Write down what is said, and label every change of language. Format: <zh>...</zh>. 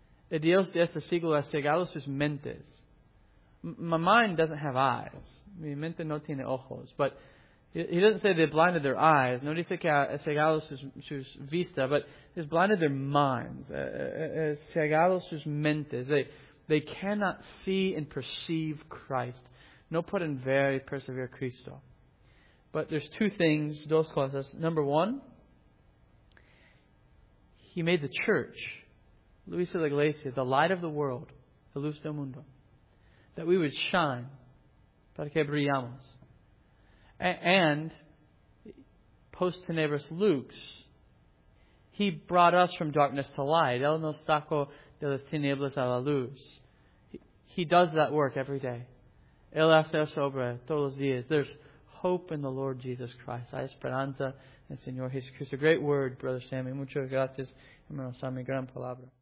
<es>El Dios de este siglo ha cegado sus mentes.</es> <en>My mind doesn't have eyes. Mi mente no tiene ojos. But he doesn't say they blinded their eyes.</en> <es>No dice que ha cegado sus vista.</es> <en>But he's blinded their minds. Cegado sus mentes. They cannot see and perceive Christ.</en> <es>No pueden ver y percibir Cristo.</es> <en>But there's two things, dos cosas. Number one, he made the church, Luis de la Iglesia, the light of the world, the luz del mundo, that we would shine, para que brillamos. And post tenebris Luke's, he brought us from darkness to light.</en> <es>Él nos sacó de las tinieblas a la luz.</es> <en>He does that work every day.</en> <es>Él hace esa obra todos los días.</es> <en>There's hope in the Lord Jesus Christ.</en> <es>Hay esperanza en el Señor Jesucristo. A great word, Brother Sammy. Muchas gracias, hermano Sammy. Gran palabra.</es>